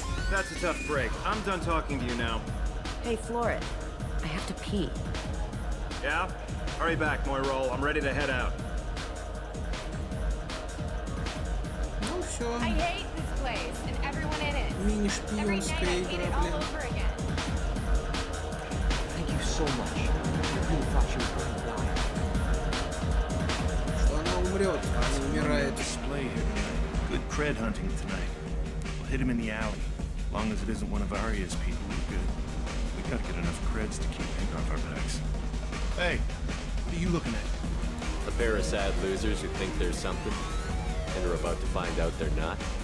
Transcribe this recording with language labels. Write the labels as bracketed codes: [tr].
[en] That's a tough break. I'm done talking to you now. Hey, Florid. I have to pee. Yeah? Hurry back, Moirol. I'm ready to head out. [ru] Ну все. [en] I hate this place and everyone in it. [ru] Мини-шпионская игра, блин. [en] Thank you so much. You thought you were going to die. [ru] Что она умрет, а не умирает. [en] Good cred hunting tonight. We'll hit him in the alley. Long as it isn't one of Arya's people, we're good. We gotta get enough creds to keep pink off our backs. Hey, what are you looking at? A pair of sad losers who think they're something, and are about to find out they're not.